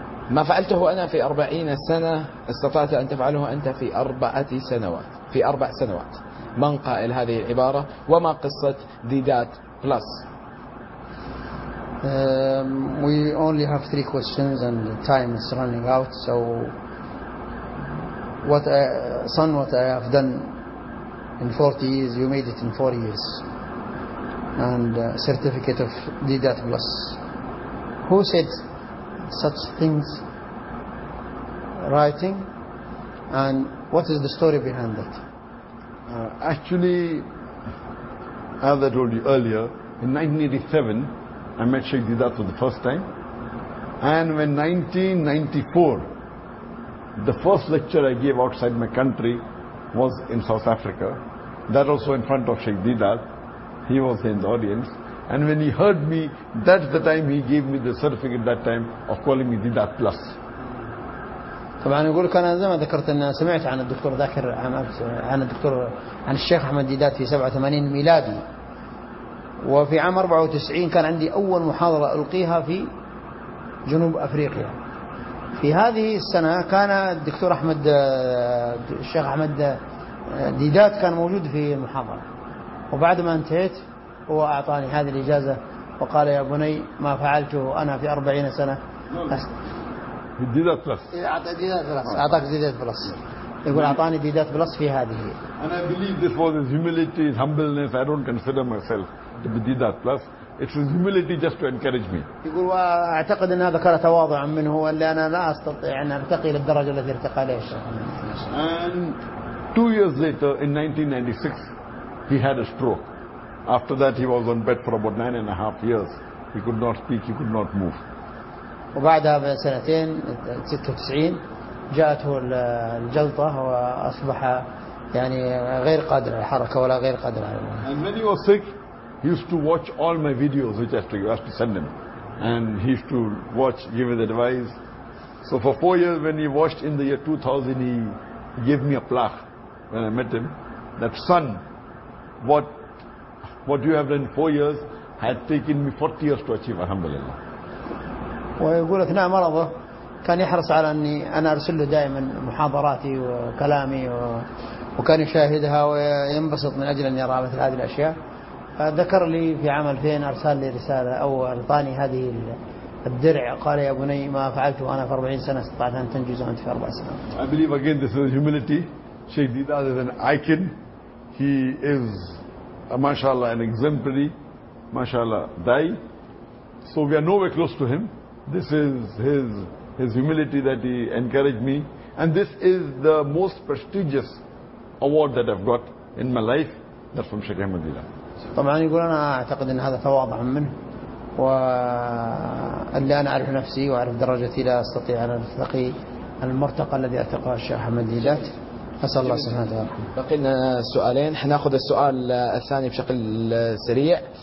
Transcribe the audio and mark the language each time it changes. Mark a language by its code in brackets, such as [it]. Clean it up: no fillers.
[ar] ما فعلته أنا في 40 سنة استطعت أن تفعله أنت في 4 سنوات في 4 سنوات. من قائل هذه العبارة وما قصة ديدات بلس؟ [en] We only have 3 questions and the time is running out, so what I have done in 40 years, you made it in 40 years. And certificate of Didat Plus. Who said such things writing? And what is the story behind that? Actually, as I told you earlier, in 1987, I met Sheikh Didat for the first time. And when 1994, the first lecture I gave outside my country was in South Africa. That also in front of Sheikh Didat. He was in the audience. And when he heard me, that's the time he gave me the certificate that time of calling me Didat Plus. [ar] طبعا يقول كان زي ما ذكرت ان سمعت عن الدكتور ذاكر عن الدكتور عن الشيخ احمد ديدات في 87 ميلادي وفي عام 94 كان عندي اول محاضره القيها في جنوب افريقيا. في هذه السنة كان الدكتور أحمد الشيخ أحمد ديدات كان موجود في المحاضرة وبعد ما انتهيت هو أعطاني هذه الإجازة وقال يا بني ما فعلته أنا في 40 سنة ديدات بلس أعطاك ديدات بلس يقول أعطاني بيدات بلص في هذه. [en] And I believe this was his humility, his humbleness. I don't consider myself to be bidat plus. It's his humility just to encourage me. [ar] يقول وأعتقد أن هذا كان تواضعا منه اللي أنا لا أستطيع أن أرتقي للدرجة التي ارتقى ليش. [en] And 2 years later, in 1996, he had a stroke. After that, he was on bed for about 9.5 years. He could not speak. He could not move. [ar] وبعدها بسنتين 96 جاءته الجلطة وأصبح يعني غير قادر على الحركة ولا غير قادر على. [en] And when he was sick, he used to watch all my videos which I used to send him, and he used to watch, give his advice. So for 4 years, when he watched in the year 2000, he gave me a plaque when I met him. That son, what you have done in 4 years had taken me 40 years to achieve. Alhamdulillah. [ar] ويقول أثناء مرضه كان يحرص على أني أنا أرسل له دائما محاضراتي وكلامي وكان يشاهدها وينبسط من أجل أن يرى مثل هذه الأشياء. ذكر لي في عام 2000 أرسل لي رسالة أو أعطاني هذه الدرع قال يا بني ما فعلت وأنا في 40 سنة استطعت أن تنجز وأنت في 4 سنوات. [en] I believe again this is humility. Sheikh Didat is an icon. He is mashallah an exemplary mashallah dai. So we are nowhere close to him. This is his humility that he encouraged me, and this is the most prestigious award that I've got in my life. That's from Sheikh Ahmed Didat. [ar] طبعا يقول أنا أعتقد أن هذا تواضع منه واللي أنا أعرف نفسي وأعرف درجتي لا أستطيع أن أرتقي المرتقى الذي أرتقى الشيخ أحمد ديدات. أسأل الله سبحانه وتعالى. بقينا سؤالين حنأخذ السؤال الثاني بشكل سريع.